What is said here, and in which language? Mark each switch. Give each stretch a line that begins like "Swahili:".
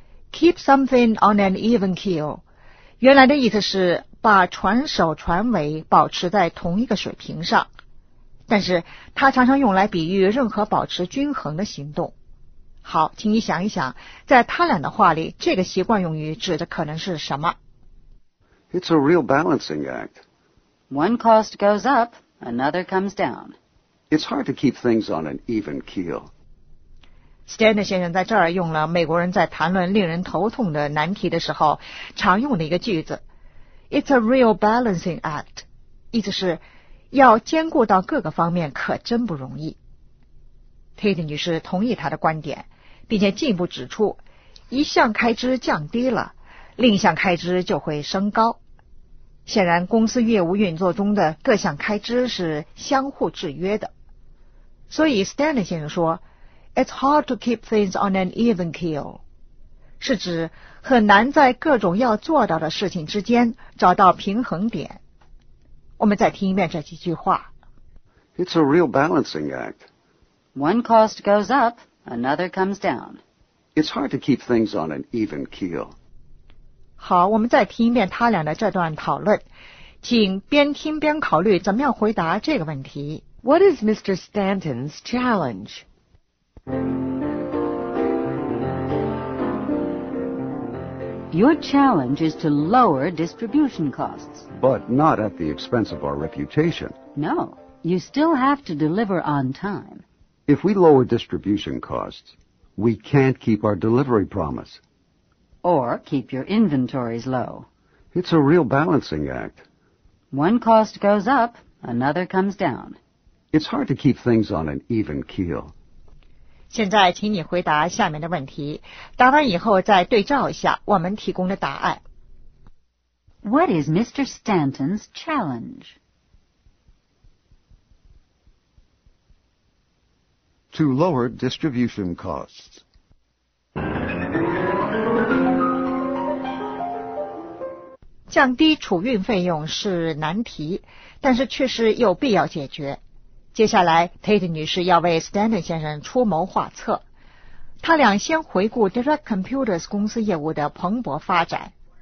English: Keep something on an even keel,
Chinese: 原来的意思是把船首船尾保持在同一个水平上，但是它常常用来比喻任何保持均衡的行动。好，请你想一想，在他俩的话里，这个习惯用于指的可能是什么？
English: It's a real balancing act. One cost goes up, another comes down. It's hard to keep things on an even keel.
Chinese: Stanley 先生在这儿用了美国人在谈论令人头痛的难题的时候常用的一个句子。
English: It's a real balancing act.
Chinese: 意思是要兼顾到各个方面可真不容易。 Tate 女士同意她的观点，并且进一步指出，一项开支降低了，另一项开支就会升高。显然公司业务运作中的各项开支是相互制约的。所以 Stanley 先生说
English: It's hard to keep things on an even keel.
Chinese: 是指很难在各种要做到的事情之间找到平衡点。我们再听一遍这几句话。
English: It's a real balancing act. One cost goes up, another comes down. It's hard to keep things on an even keel.
Chinese: 好，我们再听一遍他俩的这段讨论，请边听边考虑怎么样回答这个问题。
English: What is Mr. Stanton's challenge? Your challenge is to lower distribution costs. But not at the expense of our reputation. No, you still have to deliver on time. If we lower distribution costs, we can't keep our delivery promise. Or keep your inventories low. It's a real balancing act. One cost goes up, another comes down. It's hard to keep things on an even keel.
Chinese: 现在请你回答下面的问题，答完以后再对照一下我们提供的答案。
English: What is Mr. Stanton's challenge? To lower distribution costs.
Chinese: 降低储运费用是难题，但是确实有必要解决。接下来 Tate 女士要为 Stanton 先生出谋划策，他俩先回顾 Direct Computers 公司业务的蓬勃发展。